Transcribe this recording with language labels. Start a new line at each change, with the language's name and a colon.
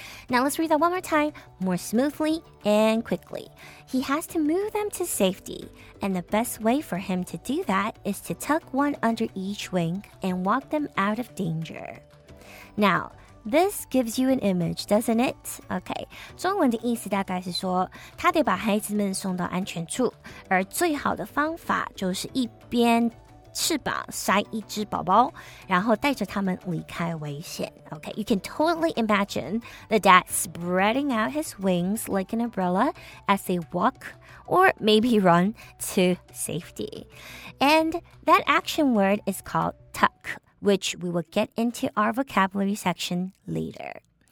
English: Now let's read that one more time, more smoothly and quickly. He has to move them to safety, and the best way for him to do that is to tuck one under each wing and walk them out of danger. Now, this gives you an image, doesn't it?
Chinese: Okay, 中文的意思大概是说 他得把孩子们送到安全处, 而最好的方法就是一边翅膀塞一只宝宝, 然后带着他们离开危险.
English: Okay, you can totally imagine the dad spreading out his wings like an umbrella as they walk or maybe run to safety. And that action word is called tuck, which we will get into our vocabulary section later.